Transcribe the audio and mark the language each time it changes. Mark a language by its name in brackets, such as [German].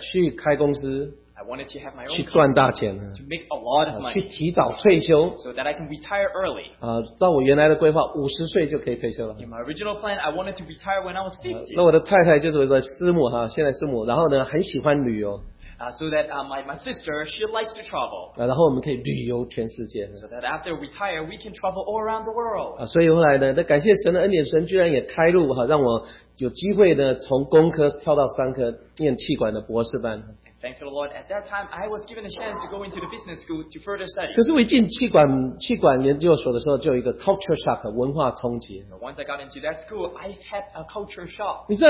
[Chinese] 去开公司。 [English] I wanted to have my own [Chinese] 去赚大钱, [English] to make a lot of money [Chinese] 去提早退休, [English] so that I can retire early. [Chinese] 照我原来的规划, 50岁就可以退休了。 [English] In my original plan, I wanted to retire when I was 50. [Chinese] 那我的太太就是我的师母, 现在师母, 然后呢, 很喜欢旅游。 [English] So that my sister, she likes to travel. [Chinese] 然后我们可以旅游全世界。 [English] So that after we retire, we can travel all around the world. [Chinese] 所以后来呢，那感谢神的恩典，神居然也开路， 让我有机会呢，从工科跳到商科，念气管的博士班。 [English] Thanks to the Lord. At that time, I was given a chance to go into the business school to further study. [Chinese] 可是我一进气管研究所的时候，就有一个 [English] culture shock [Chinese] 文化冲击。 [English] Once I got into that school, I had a culture shock.